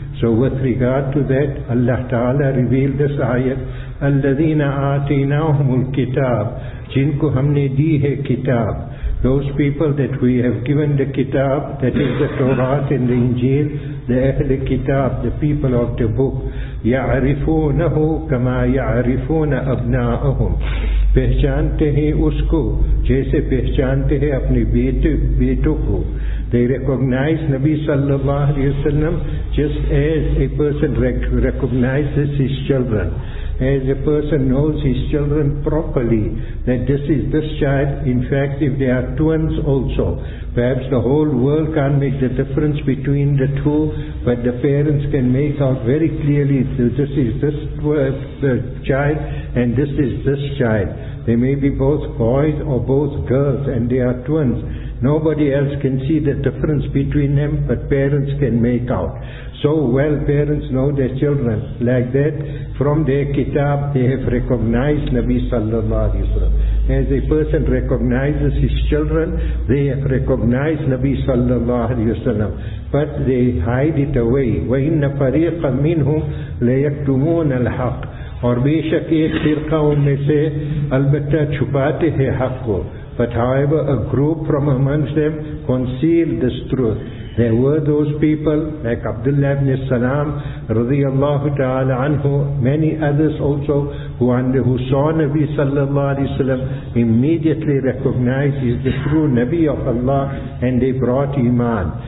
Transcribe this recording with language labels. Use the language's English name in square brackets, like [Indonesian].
[English] So with regard to that, Allah Ta'ala revealed this ayat, [Arabic] الَّذِينَ آتِيْنَاهُمُ الْكِتَابِ جِنْكُ هَمْنِ دِيهِ كِتَابِ. [English] Those people that we have given the kitab, that is the Torah and the Injil, the Ahl al-Kitab, the people of the book, [Arabic] يَعْرِفُونَهُ كَمَا يَعْرِفُونَ أَبْنَاءَهُمْ. [Urdu] پہچانتے ہیں اس کو جیسے پہچانتے ہیں اپنے بیٹوں کو. [English] They recognize Nabi Sallallahu Alaihi Wasallam just as a person recognizes his children. As a person knows his children properly, that this is this child. In fact, if they are twins also, perhaps the whole world can't make the difference between the two, but the parents can make out very clearly, this is this child and this is this child. They may be both boys or both girls and they are twins. Nobody else can see the difference between them, but parents can make out. So well parents know their children. Like that, from their kitab, they have recognized Nabi Sallallahu Alaihi Wasallam. As a person recognizes his children, they have recognized Nabi Sallallahu Alaihi Wasallam. But they hide it away. [Arabic] وَإِنَّ فَرِيقًا مِّنْهُمْ لَيَكْتُمُونَ الْحَقِّ. [Urdu] اور بے شک ایک فرقہ ان میں سے البتہ چھپاتے ہیں حق کو. [English] But however, a group from amongst them concealed this truth. There were those people like Abdullah ibn Salam, radiallahu ta'ala anhu, many others also who saw Nabi sallallahu alayhi wa sallam, immediately recognized he's the true Nabi of Allah and they brought Iman.